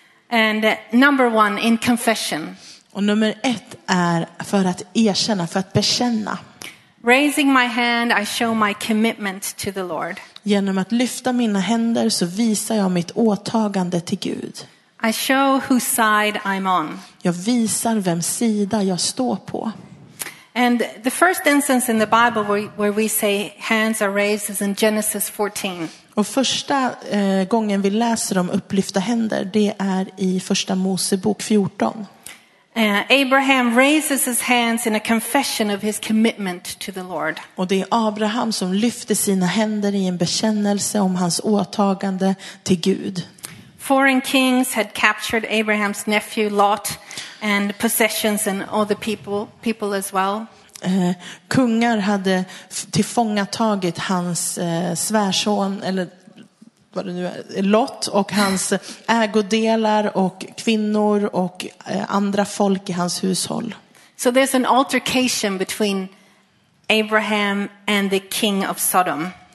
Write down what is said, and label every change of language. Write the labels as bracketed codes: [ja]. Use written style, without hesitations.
[en] And number one in confession. [sv] Och nummer ett är för att erkänna, för att bekänna. [en] Raising my hand, I show my commitment to the Lord. [sv] Genom att lyfta mina händer så visar jag mitt åtagande till Gud. [en] I show whose side I'm on. [sv] Jag visar vem sida jag står på. [en] And the first instance in the Bible where we say hands are raised is in Genesis 14. [sv] Och första gången vi läser om upplyfta händer, det är i första Mosebok 14. [en] Abraham raises his hands in a confession of his commitment to the Lord. [sv] Och det är Abraham som lyfter sina händer i en bekännelse om hans åtagande till Gud. [en] Foreign kings had captured Abraham's nephew Lot and possessions and all the people as well. [sv] Kungar hade tillfångatagit hans svärson eller vad det nu är, Lot, och hans ägodelar och kvinnor och andra folk i hans hushåll. [en] So there's an altercation between Abraham and the king of Sodom.